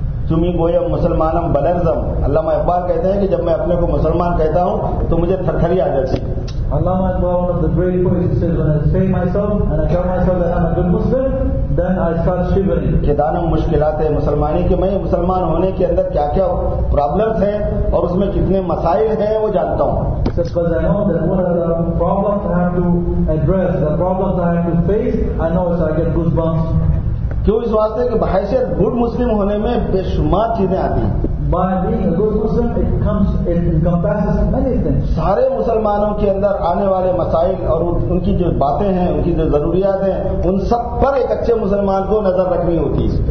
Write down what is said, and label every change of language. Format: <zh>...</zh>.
<fa>تمہیں گویا مسلمانم بلرزم.</fa> <ur>علامہ اقبال کہتے ہیں کہ جب میں اپنے کو مسلمان کہتا ہوں تو مجھے تھرتھری آ جاتی.</ur> <en>Allama Iqbal, one of the great poets, says when I say myself and I tell myself that I'm a good Muslim, then I start shivering.</en> <fa>کہ دانم مشکلات مسلمانی,</fa> <ur>کہ میں مسلمان ہونے کے اندر کیا کیا پرابلمس ہیں اور اس میں کتنے مسائل ہیں وہ جانتا ہوں.</ur> <en>Because I know that one of the problems I have to address, the problems I have to face, I know, so I get goosebumps.</en> <ur>کیوں؟ اس واسطے کہ بحیثیت گڈ مسلم ہونے میں بے شمار چیزیں آتی ہیں.</ur> <en>By being a good Muslim, it comes, it encompasses many things.</en> <ur>سارے مسلمانوں کے اندر آنے والے مسائل اور ان کی جو باتیں ہیں, ان کی جو ضروریات ہیں, ان سب پر ایک اچھے مسلمان کو نظر رکھنی ہوتی</ur>